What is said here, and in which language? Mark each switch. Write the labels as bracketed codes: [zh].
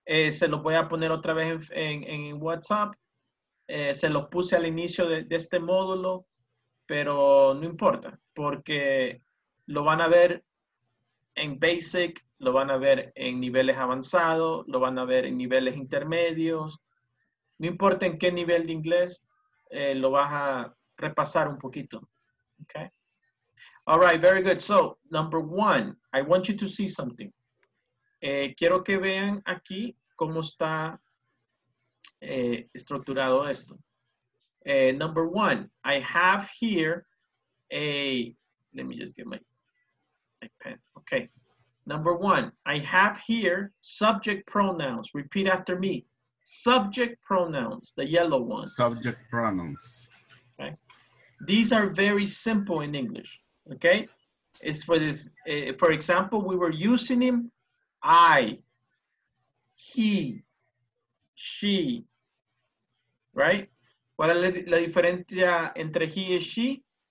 [es] Se lo voy a poner otra vez en WhatsApp. Se lo puse al inicio de este módulo, pero no importa porque lo van a ver en basic, lo van a ver en niveles avanzados, lo van a ver en niveles intermedios. No importa en qué nivel de inglés, lo vas a repasar un poquito. [en] Okay. All right, very good. So, number one, I want you to see something. [es] Quiero que vean aquí cómo está estructurado esto. [en] Number one, I have here a, let me just get my pen. Okay. Number one, I have here subject pronouns. Repeat after me. Subject pronouns, the yellow one. Subject pronouns. Okay. These are very simple in English. Okay, it's for this, for example, we were using him, I, he, she, right? [es] ¿Cuál es la diferencia entre he y she?